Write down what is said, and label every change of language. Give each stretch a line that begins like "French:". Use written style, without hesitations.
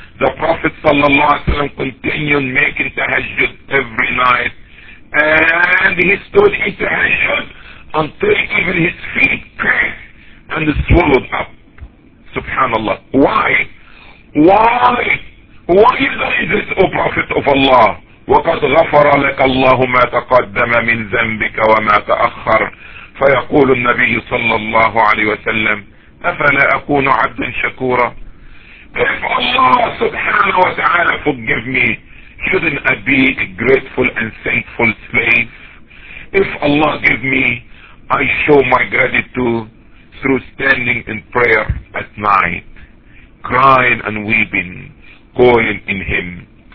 English: The Prophet sallallahu alayhi wa sallam continued making tahajjud every night, and he stood in tahajjud until even his feet cracked and swallowed up. Subhanallah. Why? Why? Why is this, O Prophet of Allah?
Arabic: وَقَدْ غَفَرَ لَكَ اللَّهُ مَا تَقَدَّمَ مِنْ ذَنْبِكَ وَمَا تَأَخَّرَ. فيقول النبي صلى الله عليه وسلم, أَفَلَا أَكُونُ عَبْدًا شَكُورًا.
English: If Allah subhanahu wa ta'ala forgive me, shouldn't I be a grateful and thankful slave? If Allah give me, I show my gratitude through standing in prayer at night, crying and weeping, calling in Him.